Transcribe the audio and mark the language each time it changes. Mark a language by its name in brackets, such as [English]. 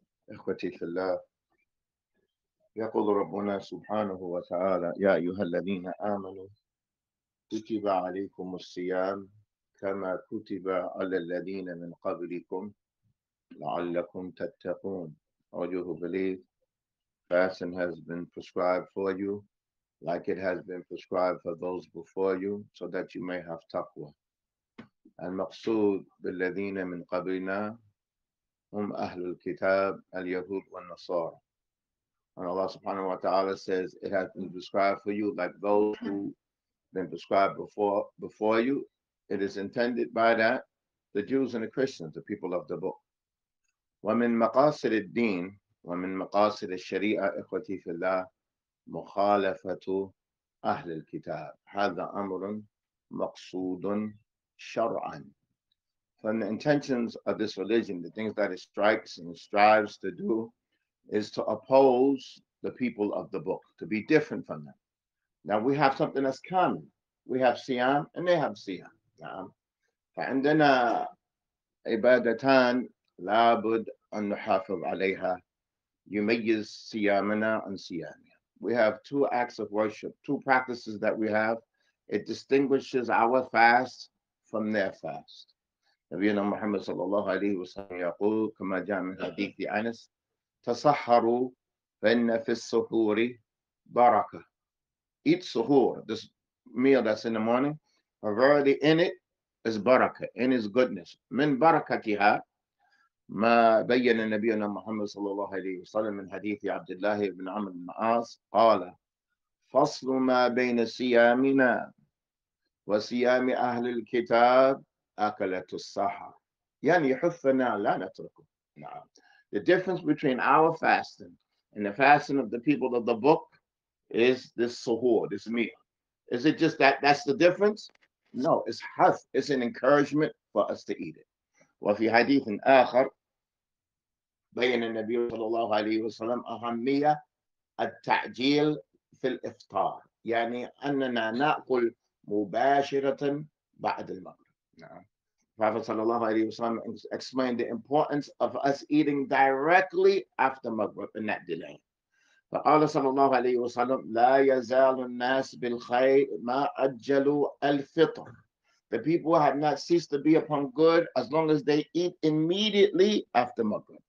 [Arabic] إخوتي في الله، يقول ربنا سبحانه وتعالى: يا أيها الذين آمنوا كتب عليكم الصيام كما كتب على الذين من قبلكم لعلكم تتقون. أيها [English] believe fasting has been prescribed for you like it has been prescribed for those before you so that you may have taqwa. [Arabic] المقصود بالذين من قبلنا هم أهل الكتاب اليهود والنصارى. [English] And Allah subhanahu wa ta'ala says, it has been prescribed for you like those who been prescribed before you. It is intended by that the Jews and the Christians, the people of the book. [Arabic] ومن مقاصد الدين ومن مقاصد الشريعة إخوتي في الله مخالفة أهل الكتاب. هذا أمر مقصود شرعاً. [English] From the intentions of this religion, the things that it strikes and strives to do is to oppose the people of the book, to be different from them. Now we have something that's common. We have siyam and they have siyam. [Arabic] فعندنا عبادتان لابد أن نحافظ عليها. يميز سيامنا عن سيامنا. [English] We have two acts of worship, two practices that we have. It distinguishes our fast from their fast. [Arabic] نبينا محمد صلى الله عليه وسلم يقول كما جاء من حديث أنس: تصحروا فإن في السحور بركة. [English] Eat suhoor, this meal that's in the morning, verily in it is baraka, in its goodness. [Arabic] من بركتها ما بين نبينا محمد صلى الله عليه وسلم من حديث عبد الله بن عمرو بن العاص قال: فصل ما بين صيامنا وصيام أهل الكتاب أكلة السحر. يعني يحثنا لا نتركه. نعم. [English] The difference between our fasting and the fasting of the people of the book is this suhoor, this meal. Is it just that that's the difference? No, it's hath, it's an encouragement for us to eat it. [Arabic] وفي حديث آخر بين النبي صلى الله عليه وسلم أهمية التعجيل في الإفطار. يعني أننا نأكل مباشرة بعد المغرب. نعم. [English] Prophet sallallahu alayhi wa sallam explained the importance of us eating directly after Maghrib in that delay. [Arabic] فقال صلى الله عليه وسلم لا يزال الناس بالخير ما أجلوا الفطر. [English] The people have not ceased to be upon good as long as they eat immediately after Maghrib.